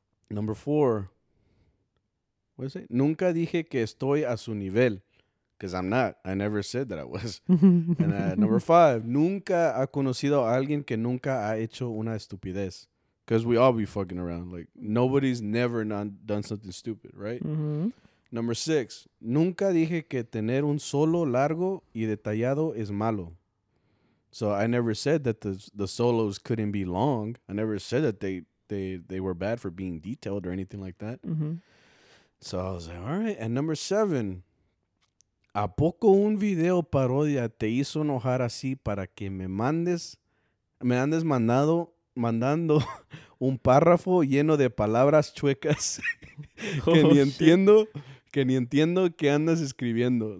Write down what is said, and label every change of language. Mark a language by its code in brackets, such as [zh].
[en] Number four, what is it? [es] Nunca dije que estoy a su nivel, [en] because I'm not. I never said that I was. And number five, [es] nunca ha conocido a alguien que nunca ha hecho una estupidez. [en] Because we all be fucking around. Like, nobody's never not done something stupid, right? Mm-hmm. Number six, [es] nunca dije que tener un solo largo y detallado es malo. [en] So I never said that the solos couldn't be long. I never said that they were bad for being detailed or anything like that. Mm-hmm. So I was like, all right. And number seven, [es] ¿a poco un video parodia te hizo enojar así para que me andes mandando un párrafo lleno de palabras chuecas que ni entiendo qué andas escribiendo?